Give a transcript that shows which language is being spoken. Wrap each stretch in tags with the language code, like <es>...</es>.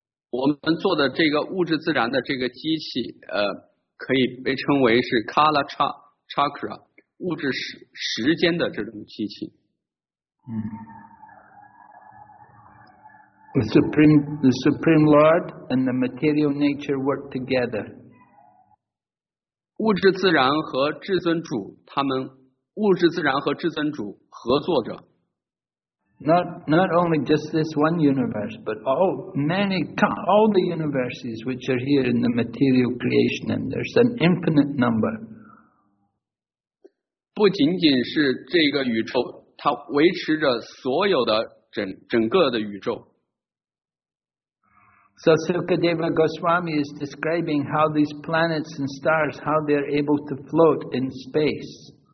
<zh>我们做的这个物质自然的这个机器，可以被称为是 kala chakra， 物质时间的这种机器。</zh> <en>The supreme Lord and the material nature work together.</en> <zh>物质自然和至尊主，他们物质自然和至尊主合作着。</zh> <en>Not only just this one universe, but all the universes which are here in the material creation, and there's an infinite number.</en> <zh>不仅仅是这个宇宙，它维持着所有的整个的宇宙。</zh> <en>So Sukadeva Goswami is describing how these planets and stars, how they are able to float in space.</en>